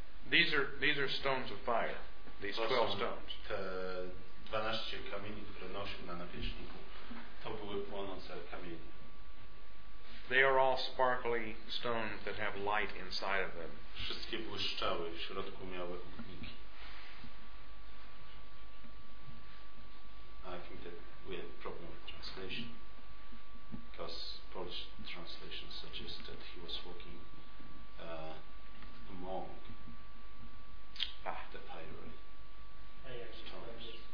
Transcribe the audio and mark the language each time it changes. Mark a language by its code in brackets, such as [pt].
[en] These are stones of fire. These 12 stones. [pl] Te 12 kamieni, które nosił na nawierzchniku, to były płonące kamienie. [en] They are all sparkly stones that have light inside of them. [pl] Wszystkie błyszczały, w środku miały ogniki. [en] I think that we had a problem with translation. Because Paul's translation suggests that he was walking among the fiery stones.